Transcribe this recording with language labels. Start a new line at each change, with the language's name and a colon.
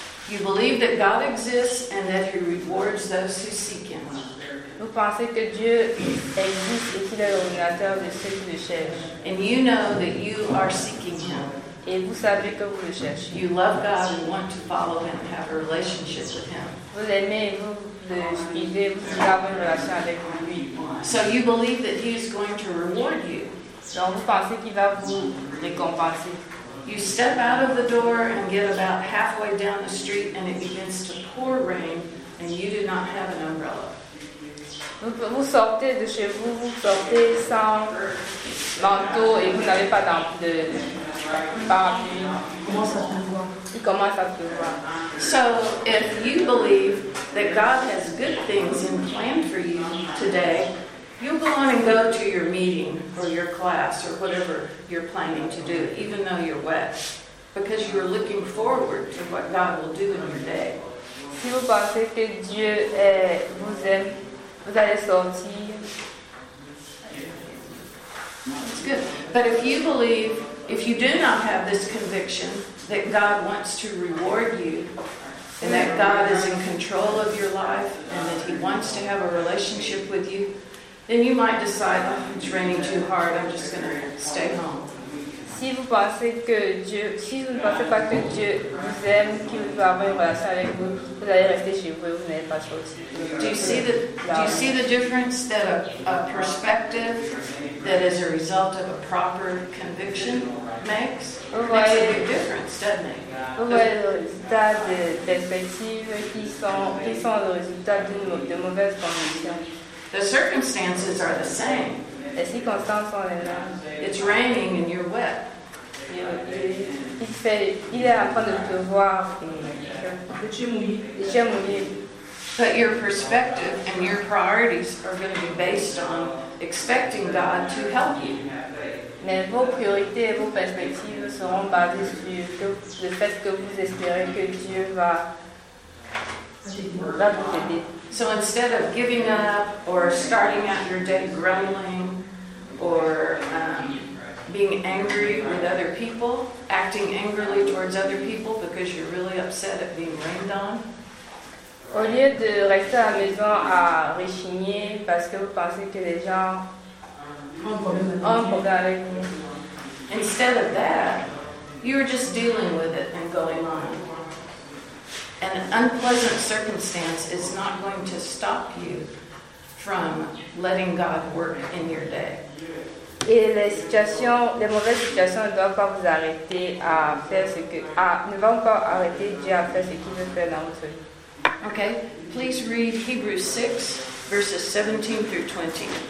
English: You believe that God exists and that He rewards those who seek Him.
French: Vous pensez que Dieu existe et qu'il est le rémunérateur de ceux qui le cherchent.
English: And you know that you are seeking Him.
French: Et vous savez que vous le cherchez.
English: You love God and want to follow Him, have a relationship with Him.
French: Vous aimez, vous le suivez, vous voulez avoir une relation avec lui.
English: So you believe that He is going to reward you.
French: Donc vous pensez qu'il va vous récompenser.
English: You step out of the door and get about halfway down the street and it begins to pour rain and you do not have an umbrella.
French: Vous sortez de chez vous, vous sortez sans manteau et vous n'avez pas de parapluie. Comment ça se voit?
English: So, if you believe that God has good things in plan for you today, you'll go on and go to your meeting or your class or whatever you're planning to do, even though you're wet, because you're looking forward to what God will do in your day.
French: Si vous pensez que Dieu vous aime, vous allez sortir.
English: That's good. But if you believe, if you do not have this conviction that God wants to reward you, and that God is in control of your life, and that He wants to have a relationship with you, then you might decide, oh, it's raining too hard, I'm just going to stay home.
French: Si vous pensez que Dieu, si vous ne pensez pas que Dieu vous aime, qu'il veut avoir une relation avec vous, vous allez rester chez vous et vous n'allez pas sortir.
English: Do you see the difference that a perspective that is a result of a proper conviction makes? Makes a big difference, doesn't it?
French: Vous voyez le résultat des perspectives qui sont le résultat de mauvaises convictions.
English: The circumstances are the same.
French: Les circonstances sont les mêmes.
English: It's raining and you're wet.
French: Il est en train de pleuvoir. Et j'ai mouillé.
English: But your perspective and your priorities are going to be based on expecting God to help you.
French: Mais vos priorités et vos perspectives seront basées sur le fait que vous espérez que Dieu va vous aider.
English: So instead of giving up or starting out your day grumbling or being angry with other people, acting angrily towards other people because you're really upset at being rained on.
French: Au lieu de rester à la maison à rechigner parce que vous pensez que les gens ont un problème avec vous.
English: Instead of that, you are just dealing with it and going on. An unpleasant circumstance is not going to stop you from letting God work in your day.
French: Et les mauvaises situations ne doivent pas vous arrêter à faire ce que ne vont pas arrêter Dieu à faire ce qu'il veut faire dans votre vie.
English: Okay, please read Hebrews 6, verses 17 through 20.